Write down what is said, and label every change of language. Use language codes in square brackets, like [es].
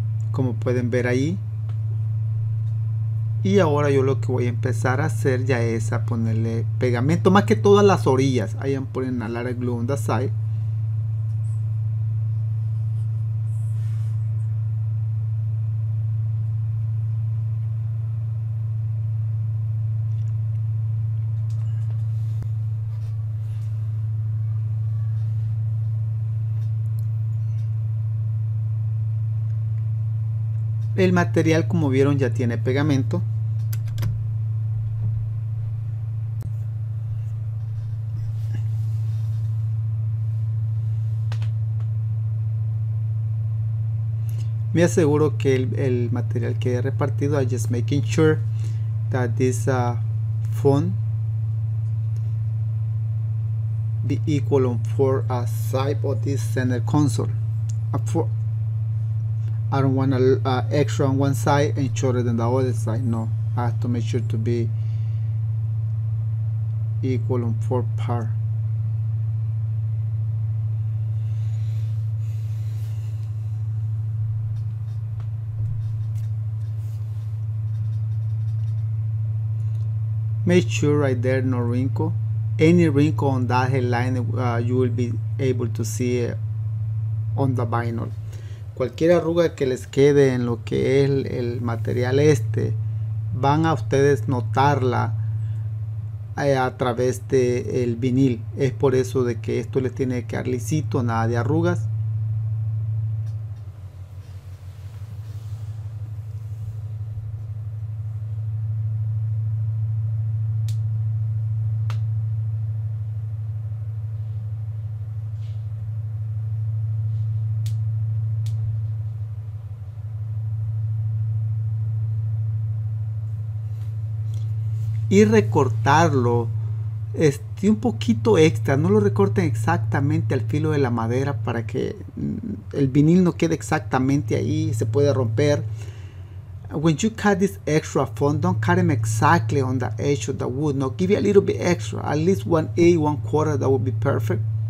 [es] Como pueden ver ahí. Y ahora yo lo que voy a empezar a hacer ya es a ponerle pegamento, más que todas las orillas. [en] I am putting a lot of glue on the side. [es] El material, como vieron, ya tiene pegamento. Me aseguro que el material quede repartido. [en] I'm just making sure that this foam be equal on four side of this center console. I don't want extra on one side and shorter than the other side. No, I have to make sure to be equal on four part. Make sure right there no wrinkle. Any wrinkle on that headline, you will be able to see it on the vinyl. [es] Cualquier arruga que les quede en lo que es el material este, van a ustedes notarla a través del vinil. Es por eso de que esto les tiene que quedar lisito, nada de arrugas. Y recortarlo un poquito extra, no lo recorten exactamente al filo de la madera para que el vinil no quede exactamente ahí, se puede romper. [en] When you cut this extra foam, don't cut them exactly on the edge of the wood. No, give it a little bit extra, at least 1/8, 1/4, that would be perfect.